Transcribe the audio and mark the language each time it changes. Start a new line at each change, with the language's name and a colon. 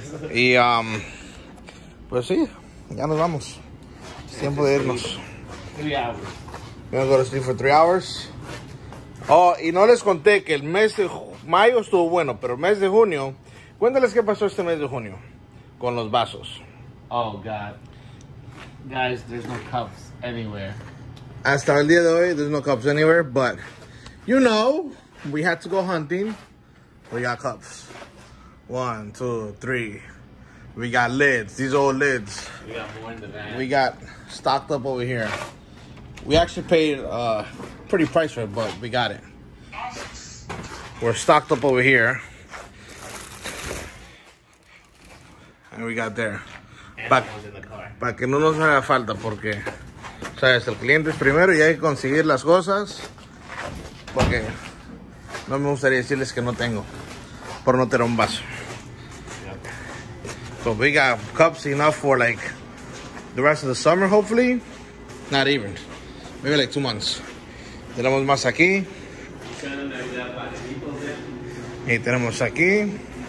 Spanish: Okay. Y pues sí, ya nos vamos. Es tiempo de irnos.
English: 3 hours. We're gonna go to sleep for 3 hours.
Spanish: Oh, y no les conté que el mes de mayo estuvo bueno, pero el mes de junio. Cuéntales qué pasó este mes de junio con los vasos.
English: Oh God. Guys, there's no cups anywhere.
Spanish: Hasta el día de hoy,
English: there's no cups anywhere, but you know, we had to go hunting. We got cups. 1, 2, 3. We got lids, these old lids. We got more in the van. We got stocked up over here. We actually paid a pretty price for it, but we got it. We're stocked up over here. And we got there.
Spanish: Para que no nos haga falta, porque sabes, el cliente es primero y hay que conseguir las cosas, porque no me gustaría decirles que no tengo por no tener un vaso. Yep.
English: But we got cups enough for like the rest of the summer, hopefully. Not even, maybe like 2 months.
Spanish: Tenemos más aquí y tenemos aquí.